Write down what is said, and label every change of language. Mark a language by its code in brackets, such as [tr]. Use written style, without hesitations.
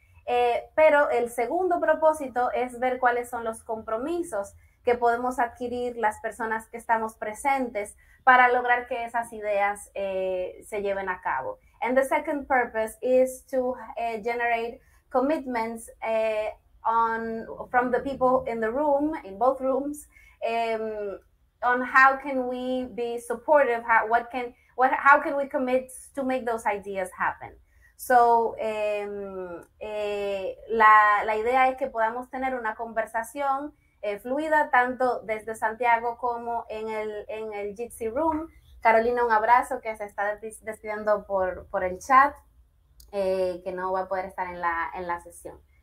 [es] Pero el segundo propósito es ver cuáles son los compromisos que podemos adquirir las personas que estamos presentes para lograr que esas ideas se lleven a cabo. [en] And the second purpose is to generate commitments from the people in the room, in both rooms, on how can we be supportive, how can we commit to make those ideas happen. So, [es] la idea es que podamos tener una conversación fluida, tanto desde Santiago como en el Jitsi Room. Carolina, un abrazo, que se está despidiendo por el chat, que no va a poder estar en la sesión.